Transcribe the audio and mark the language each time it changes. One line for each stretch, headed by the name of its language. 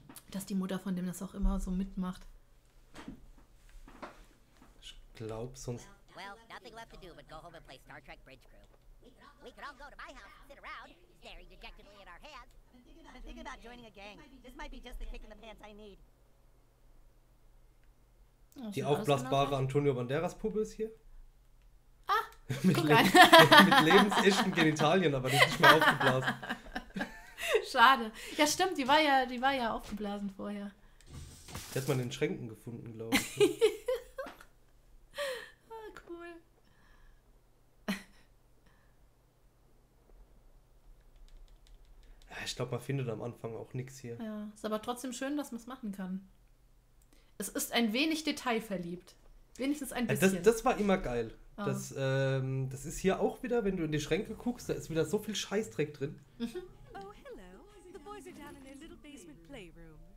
German: Dass die Mutter von dem das auch immer so mitmacht. Ich glaub sonst...
English: Well, nothing left to do but go home and play Star Trek Bridge Crew. We could all go to my house and sit around, staring dejectedly at our hands. But think about joining a gang. This might be just the kick in the pants I need.
German: Die aufblasbare Antonio Banderas Puppe ist hier. Ah, mit guck an. mit lebensechten Genitalien, aber die ist nicht mehr aufgeblasen. Schade. Ja, stimmt, die war ja aufgeblasen vorher. Die hat man in den Schränken gefunden, glaube ich. Ah, cool. Ja, ich glaube, man findet am Anfang auch nichts hier. Ja, ist aber trotzdem schön, dass man es machen kann. Es ist ein wenig detailverliebt. Wenigstens ein bisschen. Ja, das war immer geil. Oh. Das ist hier auch wieder, wenn du in die Schränke guckst, da ist wieder so viel Scheißdreck drin.
English: Oh, hello. The boys are down in their little basement playroom.